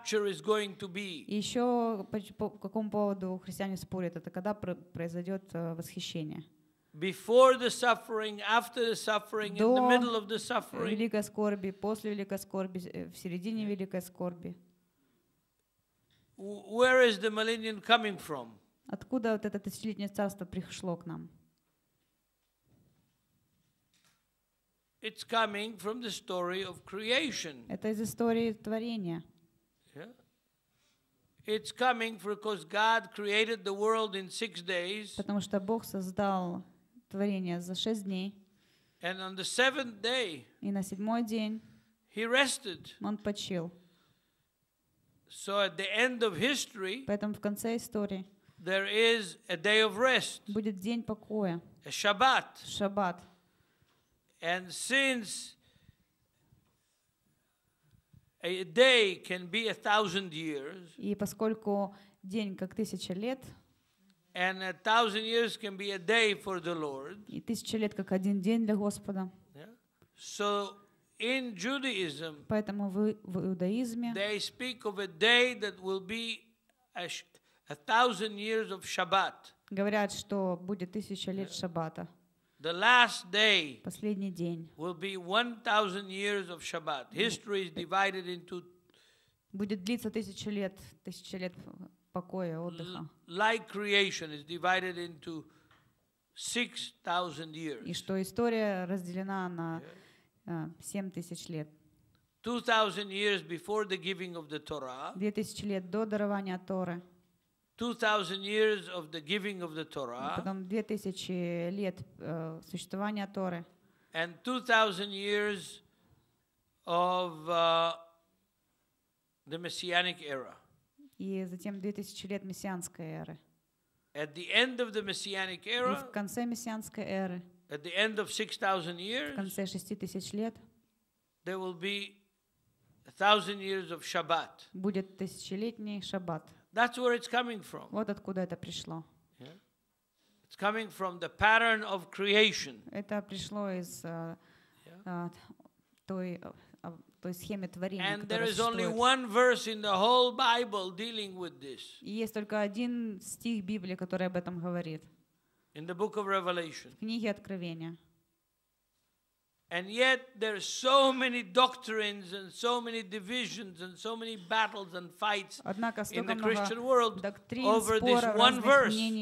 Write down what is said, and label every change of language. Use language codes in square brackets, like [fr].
[ru] И еще по какому поводу христиане спорят, это когда произойдет восхищение? [en] Before the suffering, after the suffering, [ru] до [en] in the middle of the suffering. [ru] Великой скорби, после великой скорби, в середине великой скорби. [en] Where is the millennium coming from? [ru] Откуда вот это тысячелетнее царство пришло к нам? [en] It's coming from the story of creation. [ru] Это из истории творения. [en] Yeah. It's coming because God created the world in six days. [ru] Потому что Бог создал творение за шесть дней. [en] And on the seventh day. [ru] И на седьмой день. [en] He rested. [ru] Он почил. [en] So at the end of history. [ru] Поэтому в конце истории. [en] There is a day of rest. [ru] Будет день покоя. [en] A Shabbat. [ru] Шаббат. [en] And since a day can be a thousand years, [ru] и поскольку день как тысяча лет, [en] and a thousand years can be a day for the Lord, [ru] и тысяча лет как один день для Господа, [en] so in Judaism, [ru] поэтому в иудаизме, [en] they speak of a day that will be a thousand years of Shabbat. [ru] Говорят, что будет тысяча лет Шаббата. [en] The last day [ru] последний день [en] will be 1,000 years of Shabbat. History is divided into [ru] будет длиться тысяча лет покоя, отдыха. [en] Like creation is divided into 6,000 years. [ru] И что история разделена на 7,000 лет. [en] 2,000 years before the giving of the Torah. [ru] 2,000 лет до дарования Торы. [en] 2,000 years of the giving of the Torah. [ru] Потом 2,000 лет существования Торы. [en] And 2,000 years of the messianic era. [ru] И затем 2,000 лет мессианской эры. [en] At the end of the messianic era. [ru] И в конце мессианской эры. [en] At the end of 6,000 years. [ru] В конце 6,000 лет. [en] There will be 1,000 years of Shabbat. [ru] Будет тысячелетний Шаббат. [en] That's where it's coming from. [ru] Вот откуда это пришло. [en] Yeah. It's coming from the pattern of creation. [ru] Это пришло из той схемы творения. [en] And there is only one verse in the whole Bible dealing with this. [ru] Есть только один стих Библии, который об этом говорит. [en] In the book of Revelation. [ru] В книге Откровения. [en] And yet there are so many doctrines and so many divisions and so many battles and fights in the Christian world over this one verse.